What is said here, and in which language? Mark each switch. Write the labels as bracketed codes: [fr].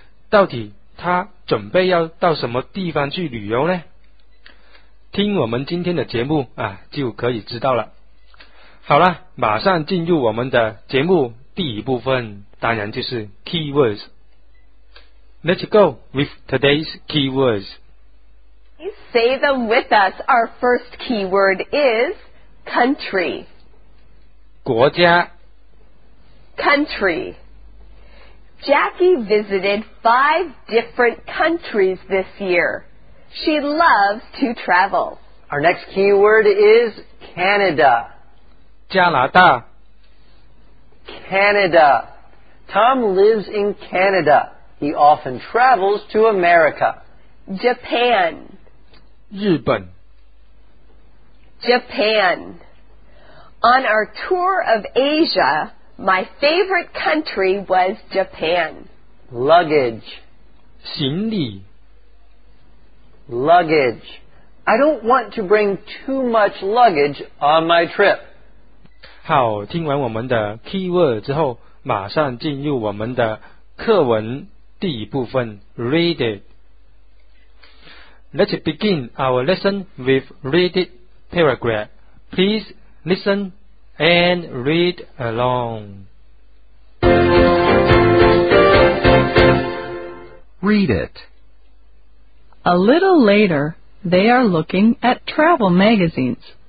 [zh] 到底他准备要到什么地方去旅游呢？听我们今天的节目啊，就可以知道了。好了，马上进入我们的节目第一部分，当然就是 keywords。 [en] Let's go with today's keywords. Say them with us. Our first keyword is country. [zh] 国家 [en] Country. Jackie visited 5 different countries this year. She loves to travel. Our next keyword is Canada. [zh] 加拿大 [en] Canada. Tom lives in Canada. He often travels to America. Japan. [zh] 日本 [en] Japan. On our tour of Asia, my favorite country was Japan. Luggage [zh] 行李 [en] Luggage. I don't want to bring too much luggage on my trip. [zh] 好，听完我们的 keyword 之后，马上进入我们的课文第一部分 Read it. [en] Let's begin our lesson with read it paragraph. Please listen and read along. Read it. A little later, they are looking at travel magazines.